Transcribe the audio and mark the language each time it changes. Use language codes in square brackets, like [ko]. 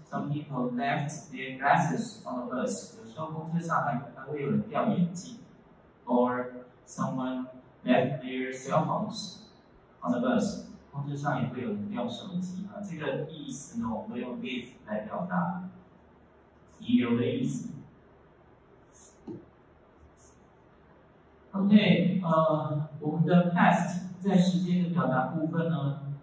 [en] Some people left their glasses on the bus. [zh] 有时候公车上还会有人掉眼镜。 [en] Or someone left their cell phones on the bus. [zh] 公车上也会有人掉手机。这个意思呢，我们用 leave 来表达遗留的意思。 OK， 我们的 past 在时间的表达部分呢？